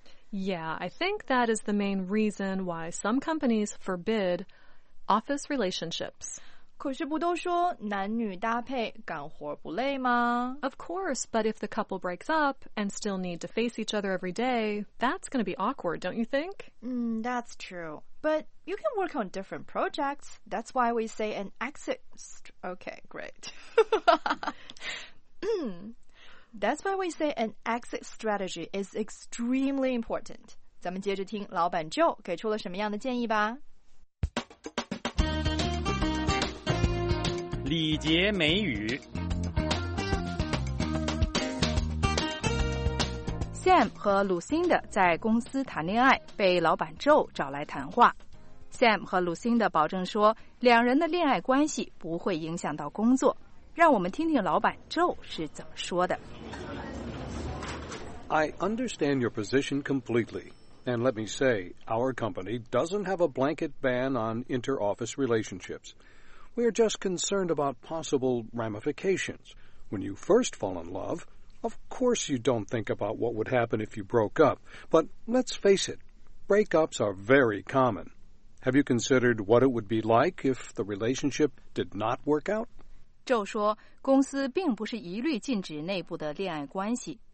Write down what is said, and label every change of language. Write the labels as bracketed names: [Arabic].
[English] Yeah, I think that is the main reason why some companies forbid office relationships. [Chinese] 可是不都说男女搭配干活不累吗？ [English] Of course, but if the couple breaks up and still need to face each other every day, that's going to be awkward, don't you think? That's true. But you can work on different projects. That's why we say an exit... Okay, great. That's why we say an exit strategy is extremely important. [Chinese] 咱们接着听老板 Joe 给出了什么样的建议吧。礼节美语。 Sam 和 Lucinda 在公司谈恋爱，被老板 Joe 找来谈话。 Sam 和 Lucinda 保证说，两人的恋爱关系不会影响到工作。让我们听听老板 Joe 是怎么说的。 [English] I understand your position completely. And let me say, our company doesn't have a blanket ban on inter-office relationships. We are just concerned about possible ramifications. When you first fall in love, of course you don't think about what would happen if you broke up. But let's face it, breakups are very common. Have you considered what it would be like if the relationship did not work out? [Chinese] Joe 说，公司并不是一律禁止内部的恋爱关系。